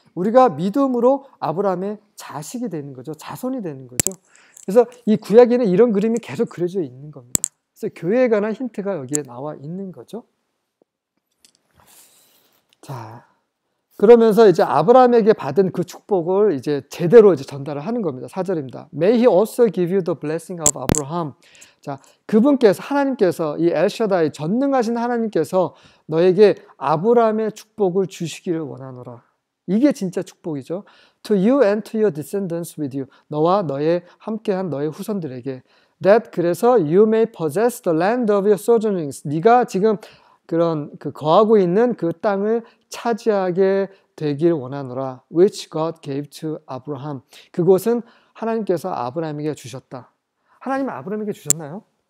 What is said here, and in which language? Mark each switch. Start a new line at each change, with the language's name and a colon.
Korean: 우리가 믿음으로 아브라함의 자식이 되는 거죠. 자손이 되는 거죠. 그래서 이 구약에는 이런 그림이 계속 그려져 있는 겁니다. 그래서 교회에 관한 힌트가 여기에 나와 있는 거죠. 자, 그러면서 이제 아브라함에게 받은 그 축복을 이제 제대로 이제 전달을 하는 겁니다. 4절입니다.
English: May he also give you the blessing of Abraham.
Korean: 자, 그분께서 하나님께서 이 엘샤다이 전능하신 하나님께서 너에게 아브라함의 축복을 주시기를 원하노라. 이게 진짜 축복이죠.
English: To you and to your descendants with you.
Korean: 너와 너의 함께한 너의 후손들에게.
English: That
Korean: 그래서
English: you may possess the land of your sojournings.
Korean: 네가 지금 그런 그 거하고 있는 그 땅을 차지하게 되길 원하노라.
English: Which God gave to Abraham.
Korean: 그곳은 하나님께서 아브라함에게 주셨다. 하나님 아브라함에게 주셨나요?